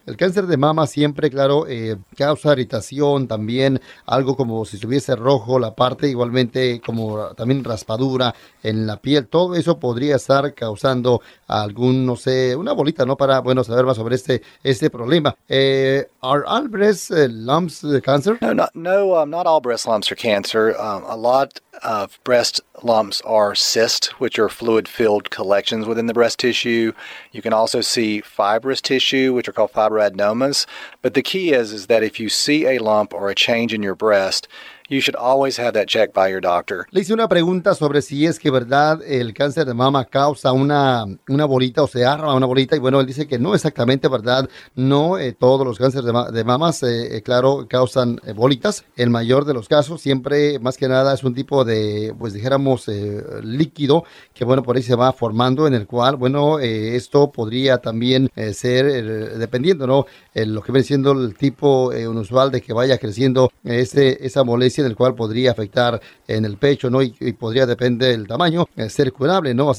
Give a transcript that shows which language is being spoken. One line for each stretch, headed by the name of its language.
Spanish: El cáncer de mama siempre, claro, causa irritación también, algo como si estuviese rojo la parte, igualmente como también raspadura en la piel. Todo eso podría estar causando algún, no sé, una bolita, ¿no?, para, bueno, saber más sobre este problema.
English: ¿Are all breast lumps cancer? No, not all breast lumps are cancer. A lot of breast lumps are cysts, which are fluid-filled collections within the breast tissue. You can also see fibrous tissue, which are called fibroadenomas. But the key is that if you see a lump or a change in your breast, you should always have that checked by your doctor.
Spanish: Le hice una pregunta sobre si es que verdad el cáncer de mama causa una bolita o se arma una bolita, y bueno, él dice que no exactamente, verdad, no todos los cánceres de mamas claro causan bolitas. El mayor de los casos siempre, más que nada, es un tipo de, pues dijéramos, líquido que, bueno, por ahí se va formando, en el cual, bueno, esto podría también ser dependiendo, ¿no?, lo que viene siendo el tipo inusual de que vaya creciendo esa molestia, en el cual podría afectar en el pecho, ¿no?, y podría, depende del tamaño, ser curable, ¿no?